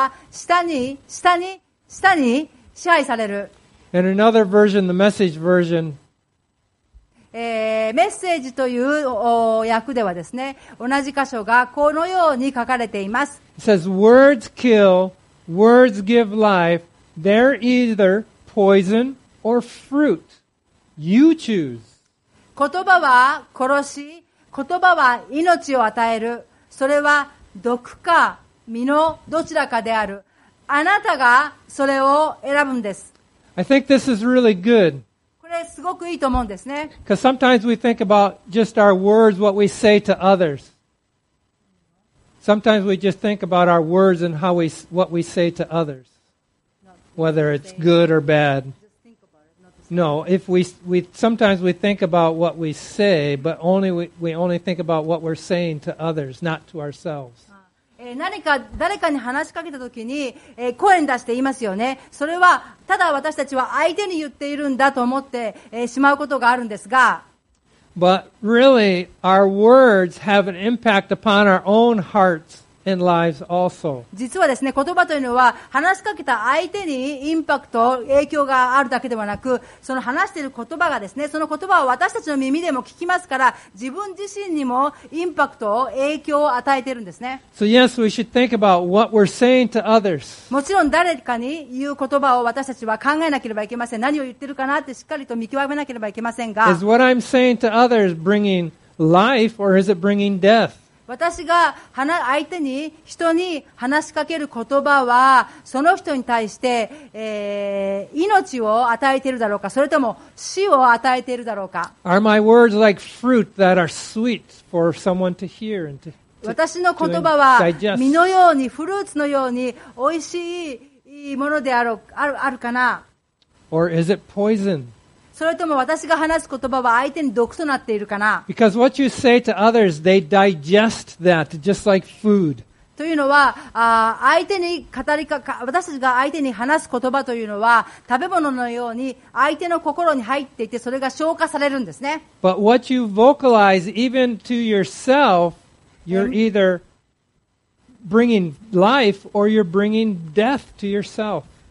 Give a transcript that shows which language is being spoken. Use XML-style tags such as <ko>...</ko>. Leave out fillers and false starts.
<ja>死と生は舌に支配される。</ja> <en>And another version, the message version,</en> <ja>メッセージという訳ではですね、同じ箇所がこのように書かれています。</ja> <en>He says, words kill, words give life, they're either poison or fruit. You choose.</en> <ja>言葉は殺し、言葉は命を与える。それは毒か実のどちらかである。あなたがそれを選ぶんです。</ja> <en>I think this is really good.</en> <ja>これすごくいいと思うんですね。</ja> <en>Because sometimes we think about just our words, what we say to others. Sometimes we just think about our words and how we, what we say to others. Whether it's good or bad. No, if we sometimes we think about what we say, but only we only think about what we're saying to others, not to ourselves.</en> <ja>何か誰かに話しかけたときに声に出して言いますよね。それはただ私たちは相手に言っているんだと思ってしまうことがあるんですが。</ja> <en>But really, our words have an impact upon our own hearts. And lives also.</en> <ja>実はですね、言葉というのは話しかけた相手にインパクト、影響があるだけではなく、その話している言葉がですね、その言葉を私たちの耳でも聞きますから、自分自身にもインパクト、影響を与えているんですね。</ja> <en>So yes, we should think about what we're saying to others.</en> <ja>もちろん誰かに言う言葉を私たちは考えなければいけません。何を言ってるかなってしっかりと見極めなければいけませんが。</ja> <en>Is what I'm saying to others bringing life or is it bringing death?</en> <ja>私が相手に人に話しかける言葉はその人に対して、命を与えているだろうか、それとも死を与えているだろうか。</ja> <en>Are my words like fruit that are sweet for someone to hear and to</en> <ja>私の言葉は実のようにフルーツのように美味しいものであろう、あるかな。</ja> <en>Or is it poison?</en> <ja>それとも私が話す言葉は相手に毒となっているかな。</ja> <en>Because what you say to others, they digest that just like food.</en> <ja>というのは、相手に語りか、私たちが相手に話す言葉というのは食べ物のように相手の心に入っていて、それが消化されるんですね。</ja> <en>But what you vocalize even to yourself, you're either bringing life or you're bringing death to yourself.</en>